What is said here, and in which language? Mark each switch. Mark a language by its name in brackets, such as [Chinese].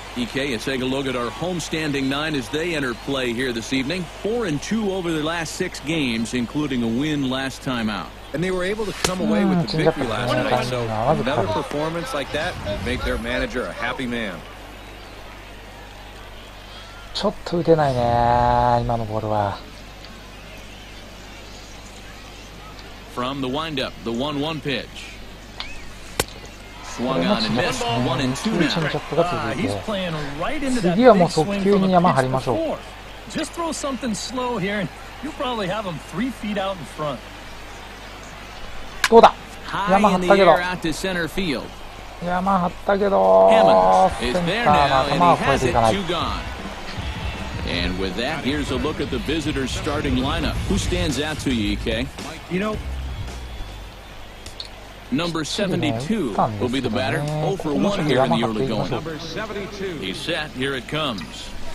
[English] EK, let's take a look at our homestanding nine as they enter play here this evening. 4-2 over their last six games, including a win last time out. And they were able to come away with the victory last night. So another performance like that would make their manager a happy man. [Japanese] ちょっと打てないね今のボールは。 [English] From the windup, the 1-1 pitch. Swung on and missed. 1-2 [Japanese] が続いて、次はもう速球に山張りましょう。 [English] Just throw something slow here and you'll probably have him 3 feet out in front. [Japanese] どうだ、山張ったけど。山張ったけど、センターの頭は越えていかない。 [English] And with that, here's a look at the visitors' starting lineup. Who stands out to you, EK? You know, number 72 will be the batter. 0-1 here in the early going. He's set. Here it comes.